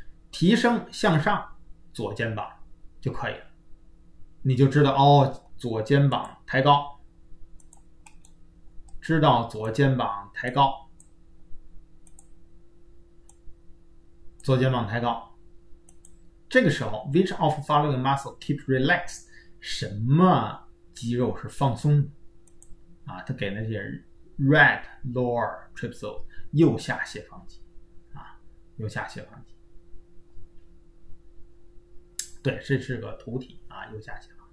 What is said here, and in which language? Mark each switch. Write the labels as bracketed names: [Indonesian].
[Chinese] 提升向上左肩膀就可以了，你就知道哦，左肩膀抬高，知道左肩膀抬高，左肩膀抬高。这个时候， [English] which of following muscle keep relaxed？ [Chinese] 什么肌肉是放松的？啊，他给那些 [English] right lower trapezoid [Chinese] 右下斜方肌右下斜方肌。对，这是个图体啊，右下角。